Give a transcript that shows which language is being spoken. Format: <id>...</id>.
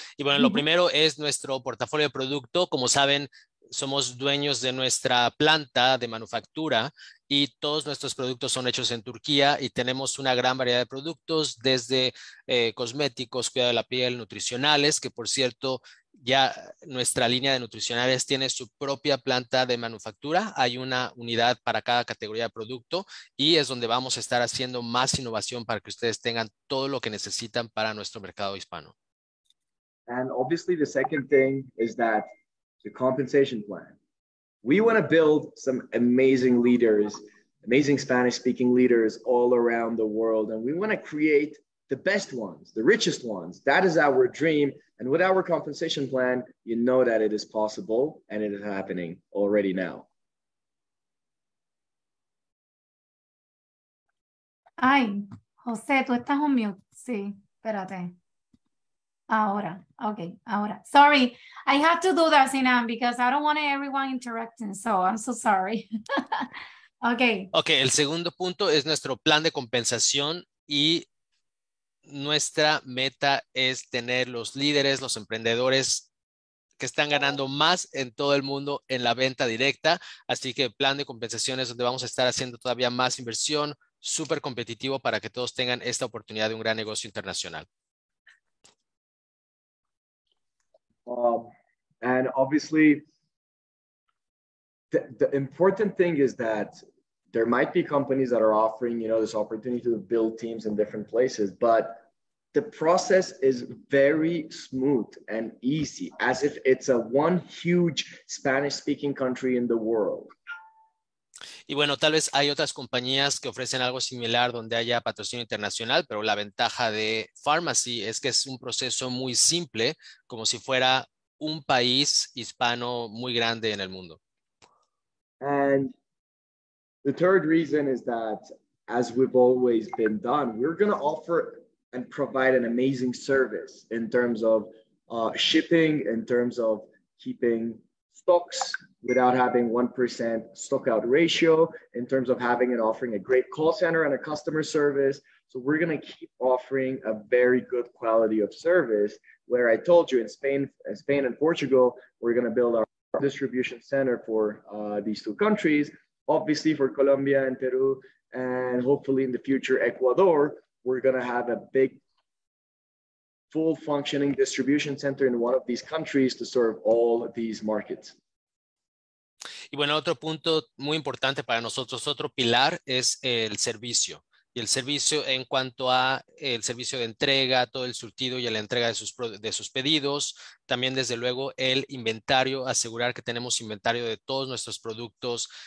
<es>Y bueno, lo primero es nuestro portafolio de producto. Como saben, somos dueños de nuestra planta de manufactura y todos nuestros productos son hechos en Turquía y tenemos una gran variedad de productos desde cosméticos, cuidado de la piel, nutricionales, que por cierto, ya nuestra línea de nutricionales tiene su propia planta de manufactura. Hay una unidad para cada categoría de producto y es donde vamos a estar haciendo más innovación para que ustedes tengan todo lo que necesitan para nuestro mercado hispano.</es> <en>And obviously the second thing is that the compensation plan. We want to build some amazing leaders, amazing Spanish speaking leaders all around the world. And we want to create the best ones, the richest ones. That is our dream. And with our compensation plan, you know that it is possible and it is happening already now.</en> <es>Ay, Jose, tú estás</es> <en>on mute.</en> <es>Sí, espérate. Ahora, okay, ahora.</es> <en>Sorry, I have to do that, Sinan, because I don't want everyone interrupting, so I'm so sorry. Okay.</en> <es>Okay, el segundo punto es nuestro plan de compensación y nuestra meta es tener los líderes, los emprendedores que están ganando más en todo el mundo en la venta directa. Así que plan de compensaciones donde vamos a estar haciendo todavía más inversión, súper competitivo para que todos tengan esta oportunidad de un gran negocio internacional.</es> <en>And obviously, the important thing is that there might be companies that are offering, you know, this opportunity to build teams in different places, but the process is very smooth and easy, as if it's a one huge Spanish-speaking country in the world.</en> <es>Y bueno, tal vez hay otras compañías que ofrecen algo similar donde haya patrocinio internacional, pero la ventaja de Pharmacy es que es un proceso muy simple, como si fuera un país hispano muy grande en el mundo.</es> <en>And the third reason is that, as we've always been done, we're going to offer and provide an amazing service in terms of shipping, in terms of keeping stocks without having 1% stockout ratio, in terms of having and offering a great call center and a customer service. So we're going to keep offering a very good quality of service, where I told you in Spain and Portugal, we're going to build our distribution center for these two countries, obviously for Colombia and Peru, and hopefully in the future, Ecuador, we're going to have a big full functioning distribution center in one of these countries to serve all of these markets.</en> <es>Y bueno, otro punto muy importante para nosotros, otro pilar es el servicio. Y el servicio en cuanto a el servicio de entrega, todo el surtido y la entrega de sus pedidos. También, desde luego, el inventario, asegurar que tenemos inventario de todos nuestros productos.</es>